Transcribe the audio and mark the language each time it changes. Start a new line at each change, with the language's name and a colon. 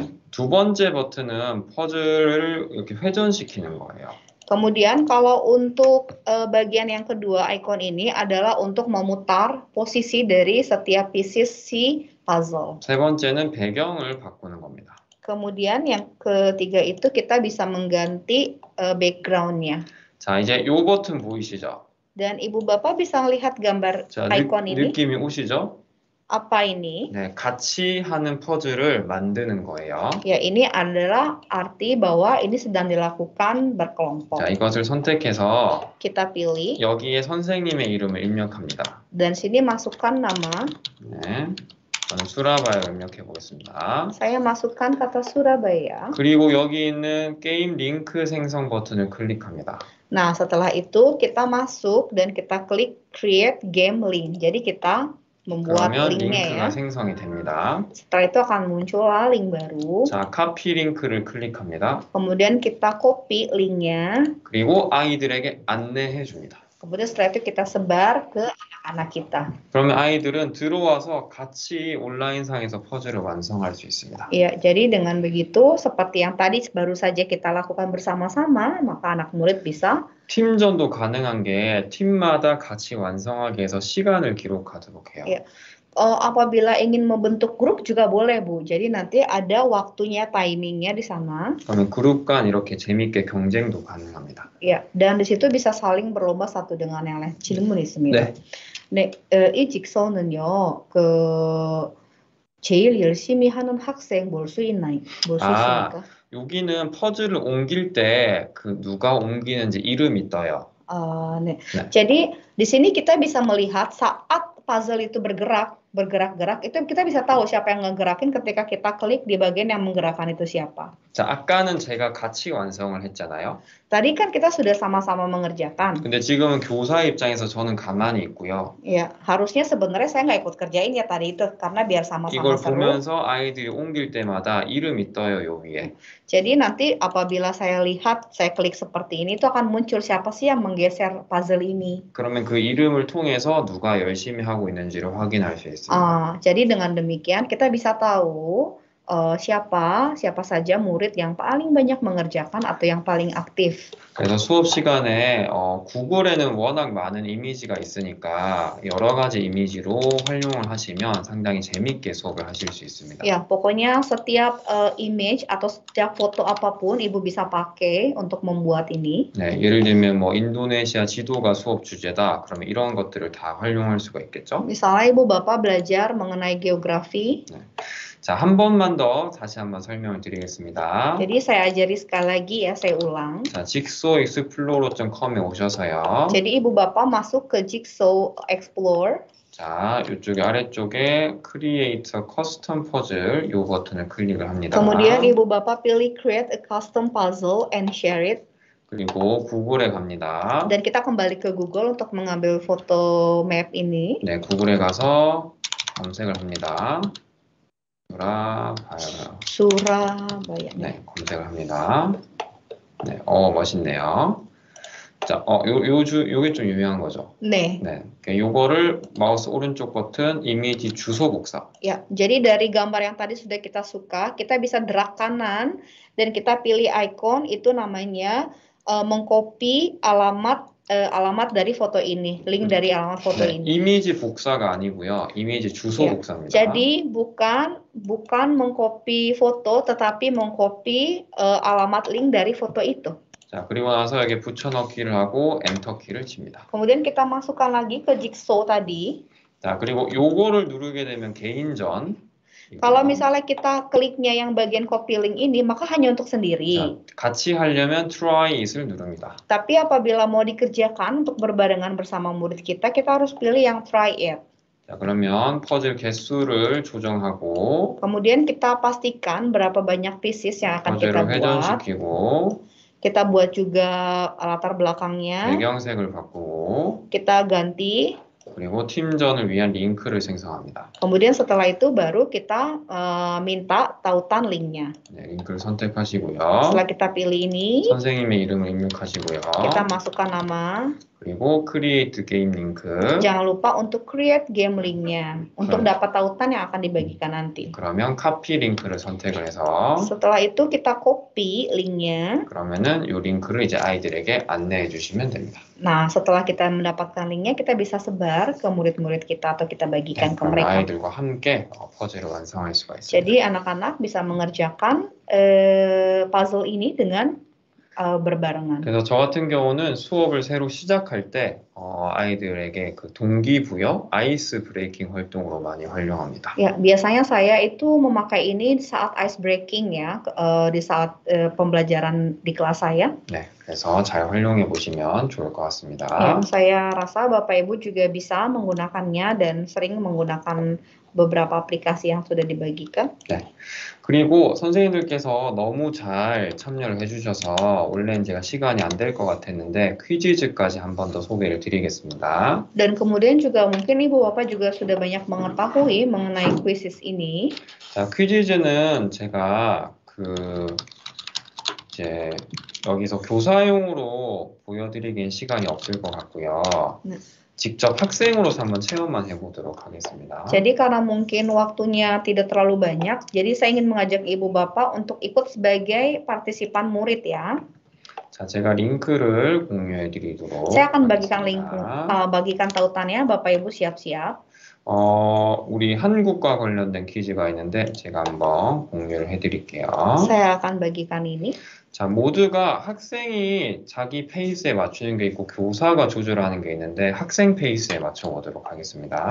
Korean: 네. 두 번째 버튼은 퍼즐을 이렇게 회전시키는 거예요.
Indonesian: Kemudian kalau untuk bagian yang kedua icon ini adalah untuk memutar posisi dari setiap pieces si puzzle.
Korean: 세 번째는 배경을 바꾸는 겁니다.
Indonesian: Kemudian yang ketiga itu kita bisa mengganti background-nya.
Korean: 자, 이제 요 버튼 보이시죠?
Indonesian: Dan ibu bapak bisa lihat gambar
Korean: 자,
English: icon
Korean: 느, 이 느낌이 오시죠?
Indonesian: Apa ini?
Korean: 네, 같이 하는 퍼즐을 만드는 거예요.
Indonesian: Ya, ini adalah arti bahwa ini sedang dilakukan berkelompok.
Korean: 자, 이것을 선택해서
Indonesian: kita pilih
Korean: 여기에 선생님의 이름을 입력합니다.
Indonesian: Dan sini masukkan nama.
Korean: 네. 저는 수라바야 입력해 보겠습니다.
Indonesian: Saya masukkan kata Surabaya.
Korean: 그리고 여기 있는 게임 링크 생성 버튼을 클릭합니다.
Indonesian: Nah, setelah itu kita masuk dan kita klik create game link. Jadi kita membuat
Korean: 그러면
Indonesian: link-nya,
Korean: 링크가 생성이 됩니다.
Indonesian: Setelah itu akan muncullah link baru.
Korean: 자, 카피 링크를 클릭합니다.
Indonesian: Kemudian kita copy link-nya.
Korean: 그리고 아이들에게 안내해 줍니다.
Indonesian: Kemudian setelah itu kita sebar ke anak-anak kita.
Korean: 그러면 아이들은 들어와서 같이 온라인상에서 퍼즐을 완성할 수 있습니다.
Indonesian: Iya, jadi dengan begitu seperti yang tadi baru saja kita lakukan bersama-sama, maka anak murid bisa
Korean: 팀전도 가능한 게 팀마다 같이 완성하기 위해서 시간을 기록하도록 해요.
Indonesian: Iya. Apabila ingin membentuk grup juga boleh, Bu. Jadi nanti ada waktunya, timingnya di sana.
Korean: 그러면 그룹 간 이렇게 재밌게 경쟁도 가능합니다.
Indonesian: Iya, dan di situ bisa saling berlomba satu dengan yang lain.
Korean: 질문 있습니다. 네. 네, 이 직선은요, 그 제일 열심히 하는 학생 볼 수 있나요? 볼 수 있습니까? 아, 여기는 퍼즐을 옮길 때 그 누가 옮기는지 이름이 떠요. 아, 네. 네.
Indonesian: Jadi di sini kita bisa melihat saat puzzle itu bergerak-gerak itu kita bisa tahu siapa yang ngegerakin ketika kita klik di bagian yang menggerakkan itu siapa.
Korean: 자, 아까는 제가 같이 완성을 했잖아요.
Indonesian: Tadi kan kita sudah sama-sama mengerjakan.
Korean: 근데 지금은 교사 입장에서 저는 가만히 있고요.
Indonesian: Iya, harusnya sebenarnya saya nggak ikut kerjain ya tadi itu karena biar sama-sama
Korean: 이걸
Indonesian: seru.
Korean: 보면서 아이들이 옮길 때마다 이름이 떠요, 여기에.
Indonesian: Jadi nanti apabila saya lihat saya klik seperti ini itu akan muncul siapa sih yang menggeser puzzle ini.
Korean: 그러면 그 이름을 통해서 누가 열심히 하고 있는지를 확인할 수 있습니다.
Indonesian: 아, jadi dengan demikian kita bisa tahu siapa saja murid yang paling banyak mengerjakan atau yang paling aktif.
Korean: 그래서 수업 시간에 구글에는 워낙 많은 이미지가 있으니까 여러 가지 이미지로 활용을 하시면 상당히 재밌게 수업을 하실 수 있습니다.
Indonesian: Ya, pokoknya setiap image atau setiap foto apapun ibu bisa pakai untuk membuat ini.
Korean: 네, 예를 들면 뭐 인도네시아 지도가 수업 주제다. 그러면 이런 것들을 다 활용할 수가 있겠죠?
Indonesian: Misalnya ibu bapak belajar mengenai geografi.
Korean: 네. 자, 한 번만 더 다시 한번 설명을 드리겠습니다.
Indonesian: Jadi saya ajari sekali lagi ya, saya ulang.
Korean: 자, jigsawexplorer.com에 오셔서요.
Indonesian: Jadi ibu bapak masuk ke Jigsaw Explorer.
Korean: 자, 이쪽에 아래쪽에 Create a Custom Puzzle 요 버튼을 클릭을 합니다.
Indonesian: Kemudian ibu bapak pilih Create a Custom Puzzle and share it.
Korean: 그리고 구글에 갑니다.
Indonesian: Dan kita kembali ke Google untuk mengambil foto map ini.
Korean: 네, 구글에 가서 검색을 합니다. 수라바야. 수라바야. 네, 검색을 합니다. 네, 멋있네요. 자, 요게 좀 유명한 거죠. 네. 네, 요거를 마우스 오른쪽 버튼 이미지 주소 복사.
Indonesian: 야, jadi dari gambar yang tadi sudah kita suka, kita bisa drag kanan dan kita pilih icon itu namanya mengcopy alamat. Alamat dari foto ini, link dari alamat foto
Korean: 네,
Indonesian: ini.
Korean: 이미지 복사가 아니고요, 이미지 주소 yeah. 복사입니다.
Indonesian: Jadi bukan mengcopy foto, tetapi mengcopy alamat link dari foto itu.
Korean: 자, 그리고 나서 여기 붙여넣기를 하고 엔터 키를 칩니다.
Indonesian: Kemudian kita masukkan lagi ke Jigsaw tadi.
Korean: 자, 그리고 요거를 누르게 되면 개인전. 그리고. 만약에
Indonesian: kita kliknya yang bagian copy-link ini maka hanya untuk sendiri.
Korean: 자, 같이 하려면 try it을 누릅니다.
Indonesian: Tapi apabila mau dikerjakan untuk berbarengan bersama murid kita, kita harus pilih yang try it.
Korean: 자, 그러면 퍼즐 개수를 조정하고
Indonesian: kemudian kita pastikan berapa banyak pieces yang akan kita buat.
Korean: 회전시키고
Indonesian: kita buat juga latar belakangnya.
Korean: 배경색을 바꾸고
Indonesian: kita ganti
Korean: 그리고 팀전을 위한 링크를 생성합니다.
Indonesian: Kemudian setelah itu baru kita minta tautan link-nya.
Korean: 네, 링크를 선택하시고요.
Indonesian: Setelah kita pilih ini
Korean: 선생님의 이름을 입력하시고요.
Indonesian: Kita masukkan nama.
Korean: 그리고 create game link.
Indonesian: Jangan lupa untuk create game link-nya
Korean: 그럼,
Indonesian: untuk dapat tautan yang akan dibagikan nanti.
Korean: 그러면 copy 링크를 선택을 해서
Indonesian: setelah itu kita copy link-nya.
Korean: 그러면은 요 링크를 이제 아이들에게 안내해 주시면 됩니다.
Indonesian: Nah, setelah kita mendapatkan link-nya, kita bisa sebar ke murid-murid kita atau kita bagikan ke mereka.
Korean: 아이들과 함께 퍼즐을 완성할 수가 있어요.
Indonesian: Jadi anak-anak bisa mengerjakan puzzle ini dengan berbarengan.
Korean: 그래서 저 같은 경우는 수업을 새로 시작할 때 아이들에게 그 동기부여, 아이스 브레이킹 활동으로 많이 활용합니다.
Indonesian: Ya, biasanya saya itu memakai ini saat ice breaking ya, di saat pembelajaran di kelas saya.
Korean: 네, 그래서 잘 활용해 보시면 좋을 것 같습니다.
Indonesian: Ya, saya rasa Bapak Ibu juga bisa menggunakannya dan sering menggunakan beberapa aplikasi yang sudah dibagikan.
Korean: 네. 그리고 선생님들께서 너무 잘 참여를 해주셔서 원래는 제가 시간이 안 될 것 같았는데 퀴즈까지 한 번 더 소개를 드리겠습니다.
Indonesian: Dan kemudian juga mungkin ibu bapak juga sudah banyak mengetahui mengenai quizzes ini.
Korean: 자, 퀴즈는 제가 이제 여기서 교사용으로 보여드리기엔 시간이 없을 것 같고요. 네. 직접 학생으로서 한번 체험만 해보도록 하겠습니다.
Indonesian: Jadi karena mungkin waktunya tidak terlalu banyak, jadi saya ingin mengajak ibu bapak untuk ikut sebagai partisipan murid ya.
Korean: 자, 제가 링크를 공유해드리도록. 제가
Indonesian: akan bagikan link, bagikan tautannya, bapak ibu siap-siap.
Korean: 우리 한국과 관련된 퀴즈가 있는데 제가 한번 공유를 해드릴게요.
Indonesian: Saya akan bagikan ini.
Korean: 자, 모두가 학생이 자기 페이스에 맞추는 게 있고 교사가 조절하는 게 있는데 학생 페이스에 맞춰보도록 하겠습니다.